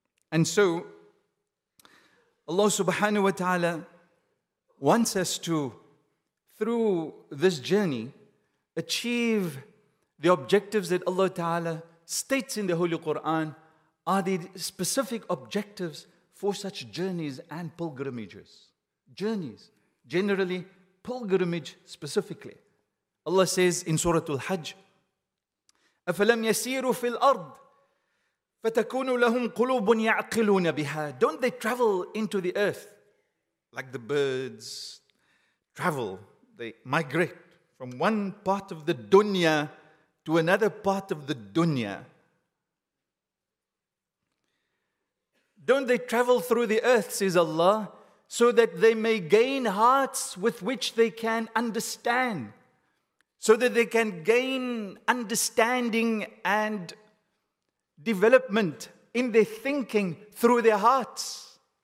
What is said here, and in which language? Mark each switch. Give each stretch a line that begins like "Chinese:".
English: And so, Allah subhanahu wa ta'ala wants us to, through this journey, achieve the objectives that Allah ta'ala states in the Holy Quran are the specific objectives for such journeys and pilgrimages. Journeys, generally, pilgrimage specifically. Allah says in Surah Al-Hajj,
Arabic: أَفَلَمْ يَسِيرُ فِي الْأَرْضِ فَتَكُونُ لَهُمْ قُلُوبٌ يَعْقِلُونَ بِهَا.
English: Don't they travel into the earth like the birds travel? They migrate from one part of the dunya to another part of the dunya. Don't they travel through the earth, says Allah, so that they may gain hearts with which they can understand, so that they can gain understanding and development in their thinking through their hearts.